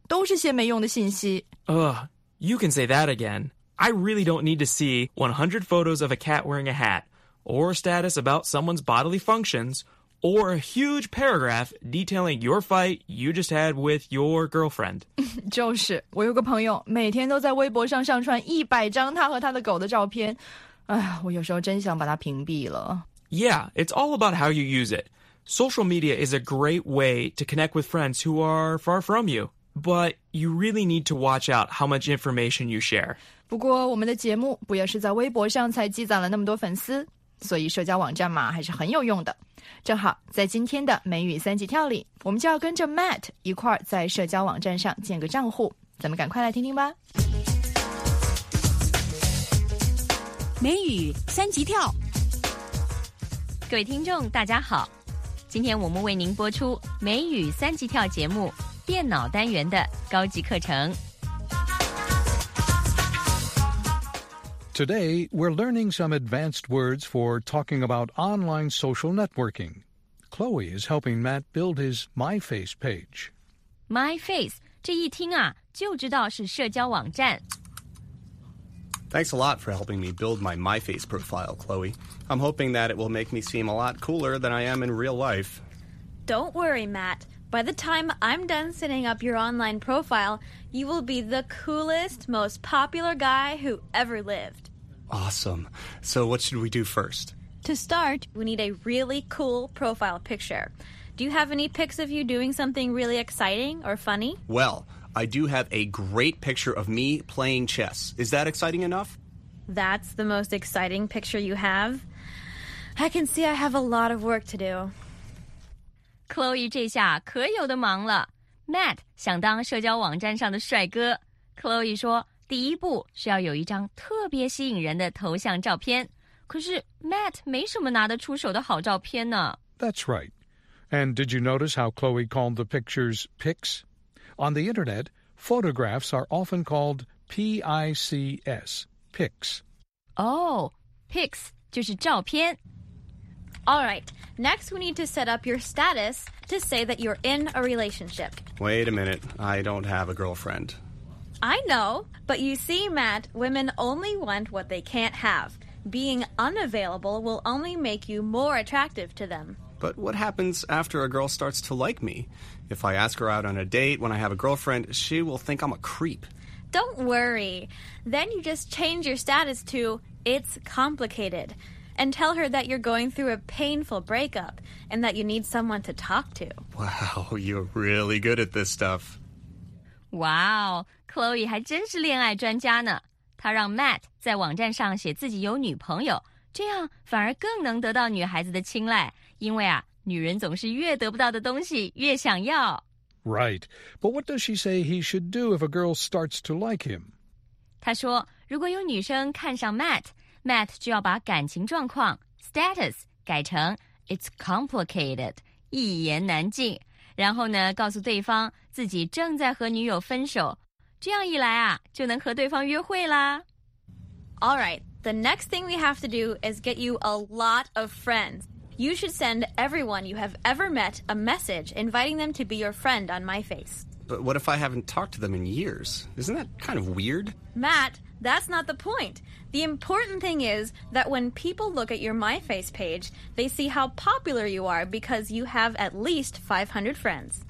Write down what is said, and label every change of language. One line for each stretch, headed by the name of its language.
Chinese: 都是些没用的信息。
English: Ugh, you can say that again. I really don't need to see 100 photos of a cat wearing a hat, or a status about someone's bodily functions, or a huge paragraph detailing your fight you just had with your girlfriend.
Chinese: 就是，我有个朋友每天都在微博上上传100张他和他的狗的照片。哎，我有时候真想把他屏蔽了。
English: Yeah, it's all about how you use it. Social media is a great way to connect with friends who are far from you. But you really need to watch out how much information you share.
Chinese: 不过我们的节目不也是在微博上才积攒了那么多粉丝？所以社交网站嘛，还是很有用的。正好在今天的美语三级跳里，我们就要跟着 Matt 一块儿在社交网站上建个账户，咱们赶快来听听吧。美语三级跳，各位听众大家好，今天我们为您播出美语三级跳节目电脑单元的高级课程。
English: Today, we're learning some advanced words for talking about online social networking. Chloe is helping Matt build his MyFace page.
Chinese: MyFace, 这一听啊，就知道是社交网站。
English: Thanks a lot for helping me build my MyFace profile, Chloe. I'm hoping that it will make me seem a lot cooler than I am in real life. Don't worry, Matt. By the time I'm done setting up your online profile... You will be the coolest, most popular guy who ever lived. Awesome. So what should we do first? To start, we need a really cool profile picture. Do you have any pics of you doing something really exciting or funny? Well, I do have a great picture of me playing chess. Is that exciting enough? That's the most exciting picture you have? I can see I have a lot of work to do.
Chinese: Chloe 这下可有的忙了。Matt 想当社交网站上的帅哥。 Chloe 说，第一步是要有一张特别吸引人的头像照片。可是 Matt 没什么拿得出手的好照片呢。
English: That's right. And did you notice how Chloe called the pictures pics? On the internet, photographs are often called P-I-C-S, pics. Oh, pics
Chinese: 就是照片。
English: All right, next we need to set up your status to say that you're in a relationship. Wait a minute, I don't have a girlfriend. I know, but you see, Matt, women only want what they can't have. Being unavailable will only make you more attractive to them. But what happens after a girl starts to like me? If I ask her out on a date when I have a girlfriend, she will think I'm a creep. Don't worry. Then you just change your status to, it's complicated. And tell her that you're going through a painful breakup and that you need someone to talk to. Wow, you're really good at this stuff.
Chinese: Wow, Chloe 还真是恋爱专家呢。她让 Matt 在网站上写自己有女朋友，这样反而更能得到女孩子的青睐，因为啊，女人总是越得不到的东西越想要。
English: Right, but what does she say he should do if a girl starts to like him?
Chinese: 她说，如果有女生看上 Matt,Matt 就要把感情状况 status 改成
English: it's complicated
Chinese: 一言难尽，然后呢告诉对方自己正在和女友分手，这样一来啊就能和对方约会啦。
English: All right, the next thing we have to do is get you a lot of friends. You should send everyone you have ever met a message inviting them to be your friend on my face. But what if I haven't talked to them in years? Isn't that kind of weird? Matt, That's not the point. The important thing is that when people look at your MyFace page, they see how popular you are because you have at least 500 friends.